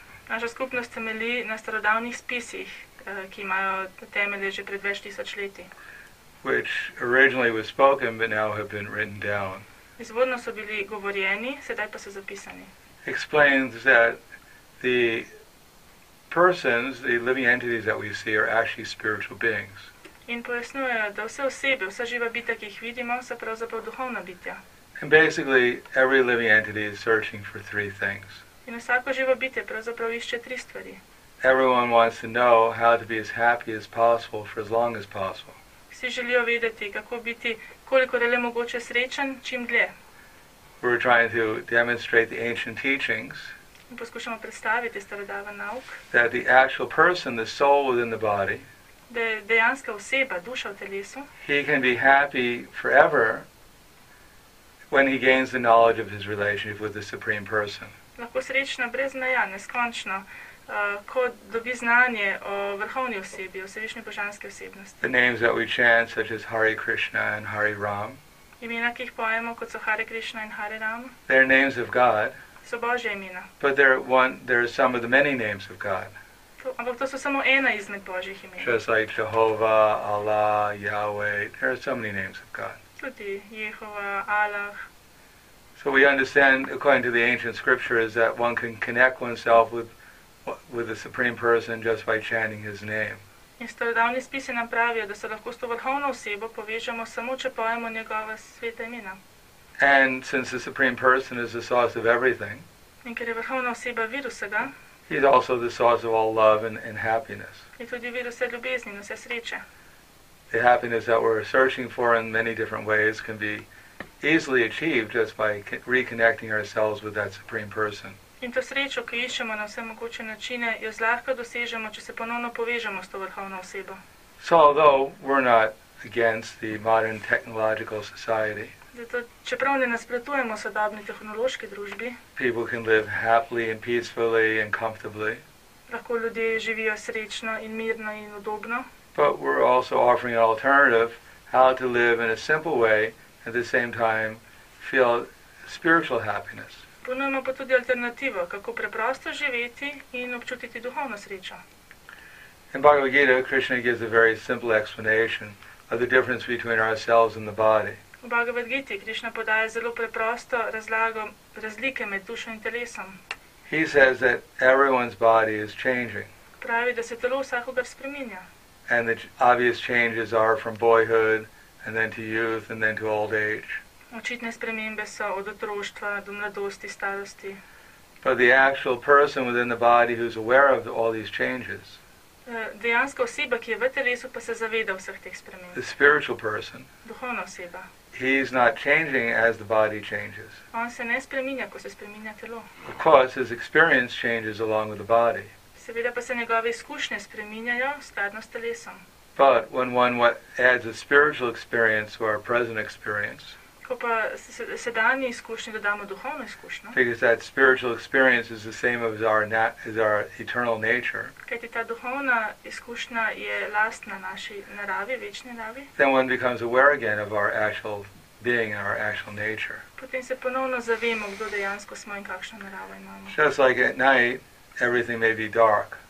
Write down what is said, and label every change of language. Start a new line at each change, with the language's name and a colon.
Slovenian: Naša skupnost temelji na starodavnih spisih, ki imajo temelje že pred 2000 leti.
English: Which originally was spoken, but now have been written down.
Slovenian: Izvorno so bili govorjeni, sedaj pa so zapisani.
English: Explains that the persons, the living entities that we see, are actually spiritual beings.
Slovenian: In pojasnjujejo, da vse osebe, vsa živa bitja, ki jih vidimo, so pravzaprav duhovna bitja.
English: And basically, every living entity is searching for three things.
Slovenian: In vsako živo bitje pravzaprav išče tri stvari.
English: Everyone wants to know how to be as happy as possible for as long as possible.
Slovenian: Vsi želijo vedeti, kako biti koliko le mogoče srečen, čim dlje.
English: We're trying to demonstrate the ancient teachings.
Slovenian: In poskušamo predstaviti starodaven nauk,
English: that the actual person, the soul within the body,
Slovenian: da je dejanska oseba, duša v telesu,
English: he can be happy forever when he gains the knowledge of his relationship with the Supreme Person.
Slovenian: Lahko srečna brez meja, neskončno, ko dobi znanje o vrhovni osebi, o vsevišnji božanski osebnosti.
English: The names that we chant, such as Hare Krishna and Hare Ram,
Slovenian: imena, ki jih pojemo, kot so Hare Krishna in Hare Ram,
English: they are names of God,
Slovenian: so Božja imena.
English: But there are some of the many names of God.
Slovenian: Ampak to so samo ena izmed Božjih imen.
English: Just like Jehovah, Allah, Yahweh, there are so many names of God.
Slovenian: Tudi Jehova, Allah.
English: So we understand, according to the ancient scriptures, that one can connect oneself with the Supreme Person just by chanting His name.
Slovenian: In starodavni spisi nam pravijo, da se lahko s to vrhovno osebo povežemo samo, če pojemo njegova sveta imena.
English: And since the Supreme Person is the source of everything,
Slovenian: in ker je vrhovna oseba vir vsega,
English: he is also the source of all love and happiness.
Slovenian: Je tudi vir vse ljubezni in vse sreče.
English: The happiness that we're searching for in many different ways can be easily achieved just by reconnecting ourselves with that Supreme Person.
Slovenian: In to srečo, ki iščemo na vse mogoče načine, jo zlahka dosežemo, če se ponovno povežemo s to vrhovno osebo.
English: So although we're not against the modern technological society,
Slovenian: zato, čeprav ne nasprotujemo sodobni tehnološki družbi,
English: people can live happily and peacefully and comfortably,
Slovenian: lahko ljudje živijo srečno in mirno in udobno,
English: but we're also offering an alternative how to live in a simple way at the same time feel spiritual happiness.
Slovenian: Ponujemo pa tudi alternativo, kako preprosto živeti in občutiti duhovno srečo.
English: In Bhagavad Gita, Krishna gives a very simple explanation of the difference between ourselves and the body.
Slovenian: V Bhagavad Giti Krishna podaja zelo preprosto razlago razlike med dušo in telesom.
English: He says that everyone's body is changing.
Slovenian: pravi, da se telo vsakogar spreminja.
English: And the obvious changes are from boyhood and then to youth and then to old age.
Slovenian: Očitne spremembe so od otroštva do mladosti, starosti.
English: But the actual person within the body who's aware of all these changes.
Slovenian: Dejanska oseba, ki je v telesu, pa se zaveda vseh teh sprememb.
English: The spiritual person.
Slovenian: Duhovna oseba.
English: He's not changing as the body changes.
Slovenian: On se ne spreminja, ko se spreminja telo.
English: Of course, his experience changes along with the body.
Slovenian: Seveda pa se njegove izkušnje spreminjajo skladno s telesom.
English: But when one adds a spiritual experience to our present experience,
Slovenian: ko pa sedanje izkušnje dodamo duhovno izkušnjo,
English: because that spiritual experience is the same as our eternal nature,
Slovenian: kajti ta duhovna izkušnja je lastna naši naravi, večni naravi,
English: then one becomes aware again of our actual being and our actual nature.
Slovenian: Potem se ponovno zavemo, kdo dejansko smo in kakšno naravo imamo.
English: Just like at night, everything may be dark.